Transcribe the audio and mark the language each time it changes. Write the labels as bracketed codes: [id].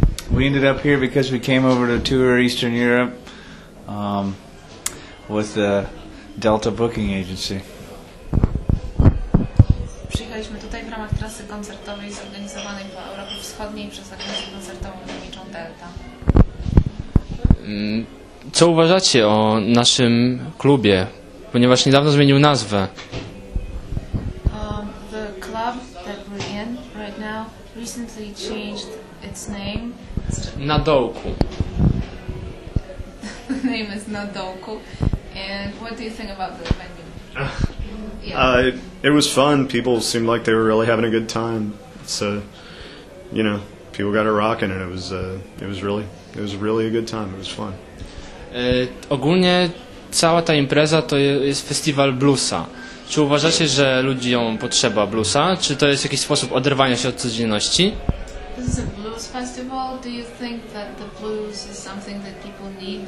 [en] We ended up here because we came over to tour Eastern Europe with the Delta Booking Agency. [pl] Przyjechaliśmy tutaj w ramach trasy koncertowej zorganizowanej po Europie Wschodniej przez agencję koncertową lotniczą Delta. Co uważacie o naszym klubie? Ponieważ niedawno zmienił nazwę. [en] The club that we're in right now recently changed its name. [pl] Na dołku. [en] The name is Na dołku. And what do you think about the venue? It was fun. People seemed like they were really having a good time. So, you know, people got it rocking, and it was really a good time. It was fun. [pl] Ogólnie cała ta impreza to jest festiwal bluesa. Czy uważacie, że ludziom potrzeba bluesa? Czy to jest jakiś sposób oderwania się od codzienności? [en] This is a blues festival. Do you think that the blues is something that people need?